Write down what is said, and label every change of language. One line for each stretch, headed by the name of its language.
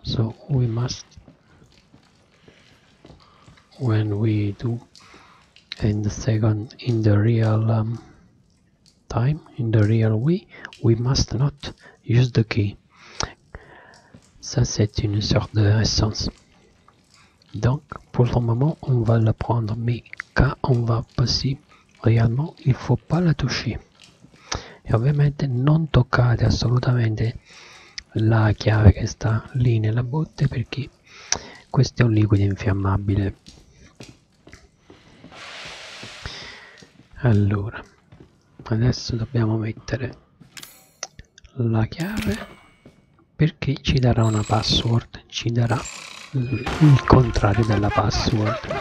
English: So we must, when we do in the second, in the real time, in the real way, we must not use the key.
French: Ça c'est une sorte de essence. Donc, pour le moment, on va la prendre, mais quand on va passer, réellement, il ne faut pas la toucher.
Italian: Et ovviamente, non toccate assolutamente la chiave che sta lì nella botte, perché questo è un liquido infiammabile. Allora, adesso dobbiamo mettere la chiave, perché ci darà una password, ci darà il contrario della password.